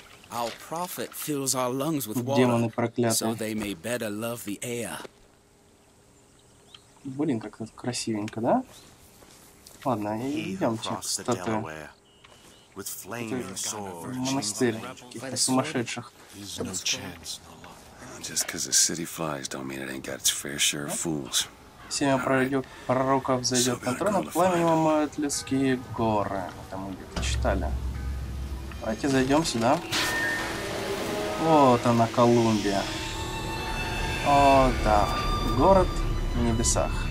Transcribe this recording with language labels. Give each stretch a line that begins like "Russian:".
English: Our prophet fills our lungs with water so they may better love the air.
Russian: Блин, как красивенько, да? Ладно, идемте. Статуя.
English: with flaming sword.
Russian: Монастырь сумасшедших.
English: No chance, just because a city flies don't mean it ain't got its fair share of fools.
Russian: Семя пророков, зайдет на трон, пламенем омоют людские горы. Это мы где-то читали. Давайте зайдем сюда. Вот она, Колумбия. О, да. Город в небесах.